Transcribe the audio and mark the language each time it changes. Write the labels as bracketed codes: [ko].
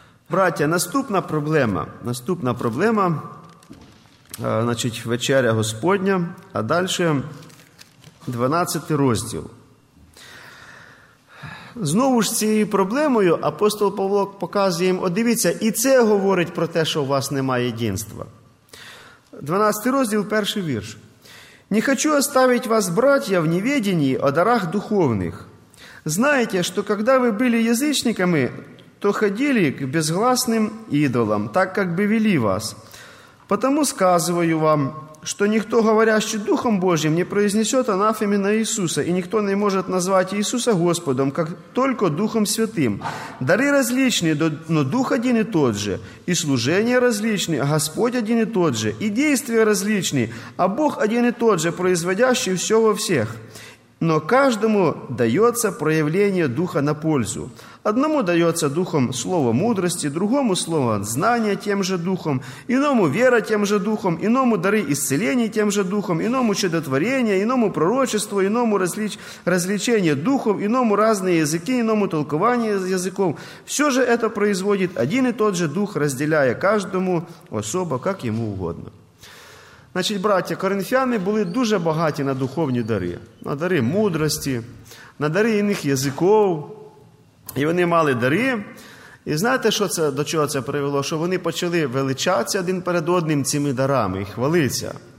[uk] Браття, наступна проблема. Наступна проблема, значить, вечеря Господня, а далі 12 розділ. Знову ж цією проблемою апостол Павло показує їм, от дивіться, і це говорить про те, що у вас немає єдинства. 12 розділ, перший вірш. [ru] «Не хочу оставить вас, братья, в неведении о дарах духовних. Знаете, что когда вы были язычниками, то ходили к безгласным идолам, так как бы вели вас. Потому сказываю вам, что никто, говорящий Духом Божьим, не произнесет анафеме на Иисуса, и никто не может назвать Иисуса Господом, как только Духом Святым. Дары различные, но Дух один и тот же, и служение различные, Господь один и тот же, и действия различные, а Бог один и тот же, производящий все во всех. Но каждому дается проявление Духа на пользу. Одному дается Духом слово мудрости, другому слово знания тем же Духом, иному вера тем же Духом, иному дары исцеления тем же Духом, иному чудотворение, иному пророчество, иному развлечение Духом, иному разные языки, иному толкование языков. Все же это производит один и тот же Дух, разделяя каждому особо, как ему угодно». [uk] Значить, браття, коринфяни були дуже багаті на духовні дари. На дари мудрості, на дари інших язиків. І вони мали дари. І знаєте, що це, до чого це привело? Що вони почали величатися один перед одним цими дарами і хвалитися.